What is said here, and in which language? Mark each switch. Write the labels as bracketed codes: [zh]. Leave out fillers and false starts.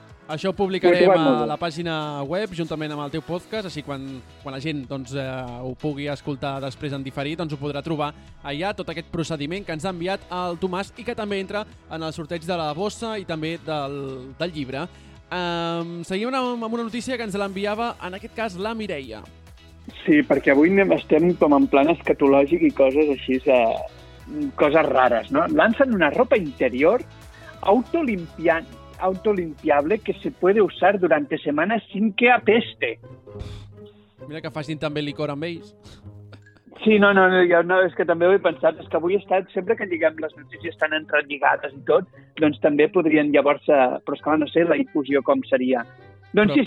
[ca] això ho publicarem a la pàgina web juntament amb el teu podcast, així quan la gent doncs, ho pugui escoltar després en diferit, doncs ho podrà trobar allà, tot aquest procediment que ens ha enviat el Tomàs i que també entra en el sorteig de la bossa i també del llibre. Seguim amb una notícia que ens l'enviava, en aquest cas, la Mireia. Sí, perquè avui estem com en plan escatològic i coses així, coses rares, no? [es] Lancen una ropa interior autolimpiable que se puede usar durante semanas sin que apeste. [ca] Mira que facin també licor amb ells. Sí, no, és que també ho he pensat. És que avui he estat, sempre que lliguem les notícies estan entrelligades i tot, doncs també podrien llavors, però és que no sé la infusió com seria. Doncs però...